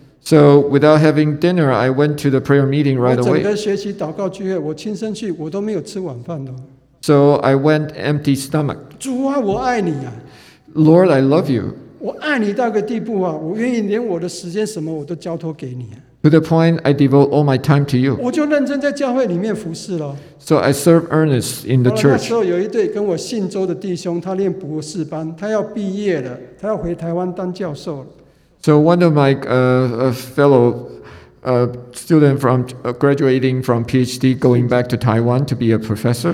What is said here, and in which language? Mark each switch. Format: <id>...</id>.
<en>So without having dinner, I went to the prayer meeting right away.</en> <zh>我整个学习祷告聚会，我亲身去，我都没有吃晚饭的。</zh> <en>So I went empty stomach.</en> <zh>主啊，我爱你啊。</zh> <en>Lord, I love you.</en> <zh>我爱你到一个地步啊，我愿意连我的时间什么我都交托给你。</zh> <en>To the point I devote all my time to you.</en> <zh>我就认真在教会里面服侍了。</zh> <en>So I serve earnest in the church.</en> <zh>那时候有一对跟我信周的弟兄，他念博士班，他要毕业了，他要回台湾当教授了。</zh> <en>So one of my fellow student from graduating from PhD going back to Taiwan to be a professor.</en>